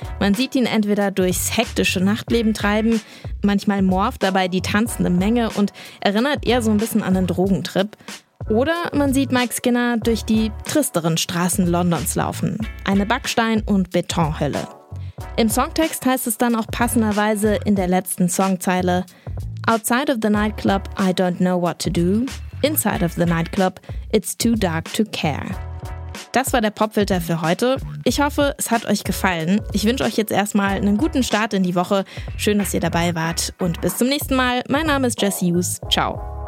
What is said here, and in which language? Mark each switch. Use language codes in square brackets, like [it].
[de] Man sieht ihn entweder durchs hektische Nachtleben treiben, manchmal morpht dabei die tanzende Menge und erinnert eher so ein bisschen an einen Drogentrip. Oder man sieht Mike Skinner durch die tristeren Straßen Londons laufen. Eine Backstein- und Betonhölle. Im Songtext heißt es dann auch passenderweise in der letzten Songzeile: [en] Outside of the nightclub, I don't know what to do. Inside of the nightclub, it's too dark to care. [de] Das war der Popfilter für heute. Ich hoffe, es hat euch gefallen. Ich wünsche euch jetzt erstmal einen guten Start in die Woche. Schön, dass ihr dabei wart. Und bis zum nächsten Mal. Mein Name ist Jess Hughes. Ciao.